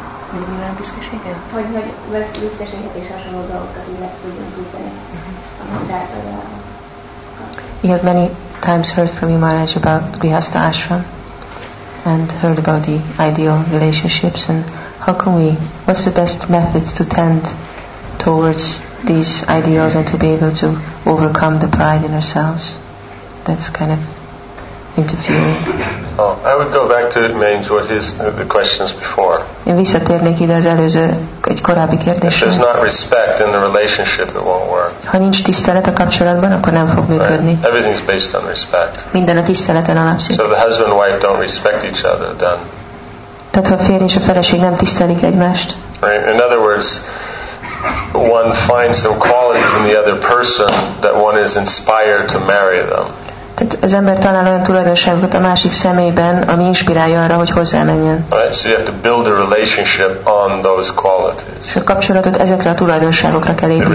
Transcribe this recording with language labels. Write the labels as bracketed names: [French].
[Hungarian] hogy milyen biztonságot? Hogy lesz biztonságot és hasonló dolgokat, hogy meg tudjunk húzni a mindáltalában. [English] You have many times heard from you, Maharaj, about Grihastha Ashram. And heard about the ideal relationships, and how can we, what's the best methods to tend towards these ideals and to be able to overcome the pride in ourselves that's kind of interfering. Oh, I would go back to Mayim's what his the questions before. [Hungarian] Én visszatérnék ide az előző egy korábbi kérdésre. [English] If there's not respect in the relationship, it won't work. [Hungarian] Ha nincs tisztelet a kapcsolatban, akkor nem fog működni. [English] Right. Everything's based on respect. [Hungarian] Minden a tiszteleten alapszik. [English] So the husband and wife don't respect each other, then. [Hungarian] Tehát a férj és a feleség nem tisztelik egymást. [English] Right. In other words, one finds some qualities in the other person that one is inspired to marry them. [Hungarian] Tehát az ember talál olyan tulajdonságokat a másik személyben, ami inspirálja arra, hogy hozzámenjen. [English] Right, so you have to build a relationship on those qualities. [Hungarian] A kapcsolatot ezekre a tulajdonságokra kell építeni.